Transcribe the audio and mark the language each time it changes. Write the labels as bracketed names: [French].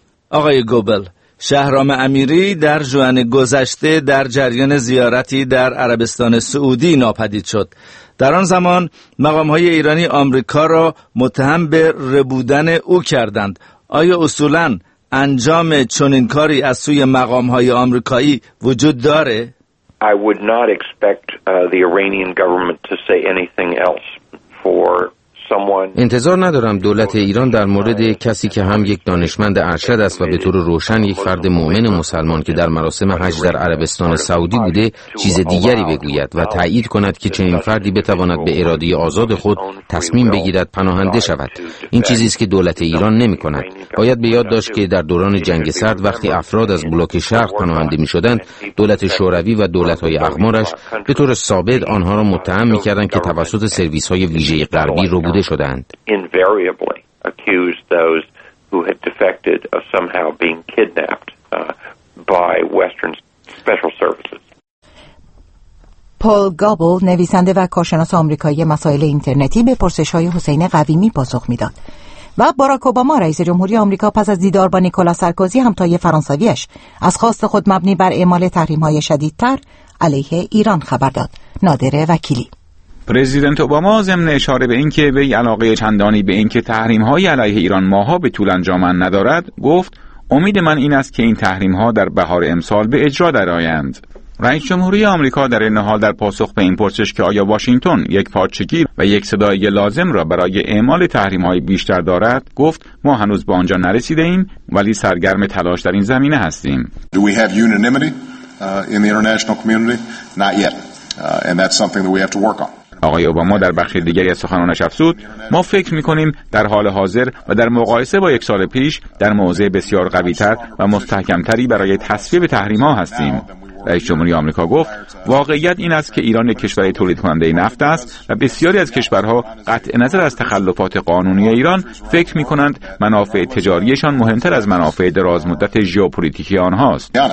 [Persian] آقای گوبل، شهرام امیری در جوان گذشته در جریان زیارتی در عربستان سعودی ناپدید شد. در آن زمان مقام‌های ایرانی آمریکا را متهم به ربودن او کردند. آیا اصولاً انجام چنین کاری از سوی مقام‌های آمریکایی وجود دارد؟ [English] I would not expect the Iranian government to say anything else for someone. [Persian] انتظار ندارم دولت ایران در مورد کسی که هم یک دانشمند ارشد است و به طور روشن یک فرد مؤمن مسلمان که در مراسم حج در عربستان سعودی بوده چیز دیگری بگوید و تایید کند که چنین فردی بتواند به اراده آزاد خود تصمیم بگیرد پناهنده شود. این چیزی است که دولت ایران نمی‌کند. باید به یاد داشت که در دوران جنگ سرد وقتی افراد از بلوک شرق پناهنده می‌شدند، دولت شوروی و دولت‌های اغمارش به طور ثابت آنها را متهم می‌کردند که توسط سرویس‌های ویژه غربی رو شدند. [English] Invariably accused those who had defected of somehow being kidnapped by Western special services. [Persian] پول گابل، نویسنده و کارشناس آمریکایی مسائل اینترنتی، به پرسش‌های حسین قویمی پاسخ می‌داد. و باراک اوباما، رئیس جمهوری آمریکا، پس از دیدار با نیکولا سارکوزی همتای فرانسویش، از خواست خود مبنی بر اعمال تحریم‌های شدیدتر علیه ایران خبر داد. نادره وکیلی. پرزیدنت اوباما ضمن اشاره به اینکه وی علاقه چندانی به اینکه تحریم‌های علیه ایران ماها به طول انجامن ندارد، گفت امید من این است که این تحریم‌ها در بهار امسال به اجرا درآیند. رئیس جمهوری آمریکا در این حال در پاسخ به این پرسش که آیا واشنگتن یک پارچگی و یک صدای لازم را برای اعمال تحریم‌های بیشتر دارد، گفت ما هنوز به آنجا نرسیده ایم ولی سرگرم تلاش در این زمینه هستیم. [English] Do we have unanimity in the international community? Not yet. And that's something that we have to work on. [Persian] آقای اوباما در بخش دیگری از سخنانش افزود ما فکر می‌کنیم در حال حاضر و در مقایسه با یک سال پیش در موضع بسیار قوی‌تر و مستحکم‌تری برای تصویب تحریم‌ها هستیم. رئیس جمهوری آمریکا گفت واقعیت این است که ایران یک کشور تولیدکننده نفت است و بسیاری از کشورها قطع نظر از تخلفات قانونی ایران فکر می‌کنند منافع تجاریشان مهمتر از منافع درازمدت ژئوپلیتیکی آنهاست.